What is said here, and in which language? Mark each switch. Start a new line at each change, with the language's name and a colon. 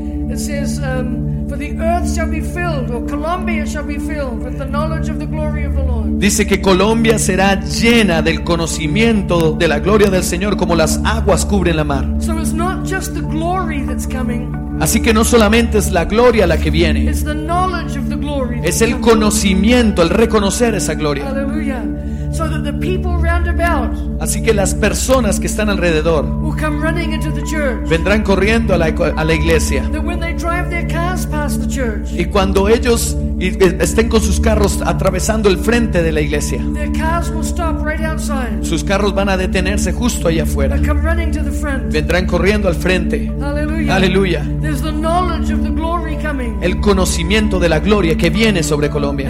English: It says, for the earth shall be filled, or Colombia shall be filled with the knowledge of the glory of the Lord.
Spanish: Dice que Colombia será llena del conocimiento de la gloria del Señor como las aguas cubren la mar.
English: So it's not just the glory that's coming.
Spanish: Así que no solamente es la gloria la que viene.
English: It's the knowledge of the glory.
Spanish: Es el conocimiento, el reconocer esa gloria.
English: Hallelujah. So that the people round about,
Spanish: así que las personas que están alrededor,
English: will come running into the church,
Spanish: vendrán corriendo a la iglesia.
English: That when they drive their cars past the church,
Spanish: y cuando ellos estén con sus carros atravesando el frente de la iglesia,
English: their cars will stop right outside,
Spanish: sus carros van a detenerse justo allá afuera.
English: Come running to the front,
Spanish: vendrán corriendo al frente. Aleluya.
English: There's the knowledge of the glory coming.
Spanish: El conocimiento de la gloria que viene sobre Colombia.